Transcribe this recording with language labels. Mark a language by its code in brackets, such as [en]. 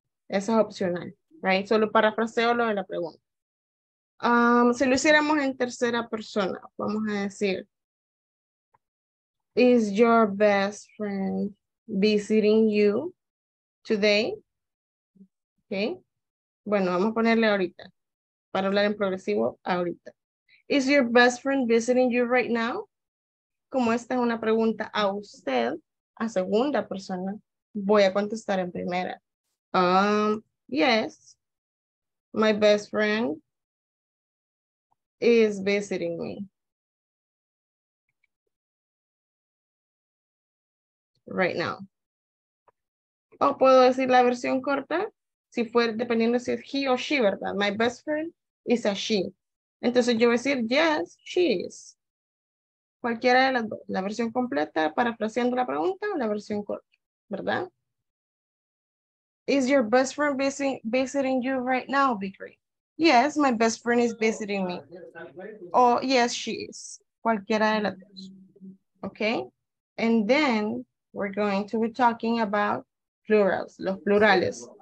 [es] Eso es opcional, right? Solo parafraseo lo de la pregunta. Si lo hiciéramos en tercera persona, vamos a decir, [en] is your best friend visiting you today? [es] Okay. Bueno, vamos a ponerle ahorita, para hablar en progresivo, ahorita. [en] Is your best friend visiting you right now? [es] Como esta es una pregunta a usted, a segunda persona, voy a contestar en primera. [en] Yes, my best friend is visiting me. Right now. [es] O puedo decir la versión corta, si fue dependiendo si es he o she, ¿verdad? [en] My best friend is a she. [es] Entonces yo voy a decir, [en] yes, she is. [es] Cualquiera de las dos, la versión completa, parafraseando la pregunta, o la versión corta, ¿verdad? [en] Is your best friend visiting you right now, Vickery? Yes, my best friend is visiting me. O yes, she is. [es] Cualquiera de las dos. Okay? [en] And then we're going to be talking about plurals, los plurales.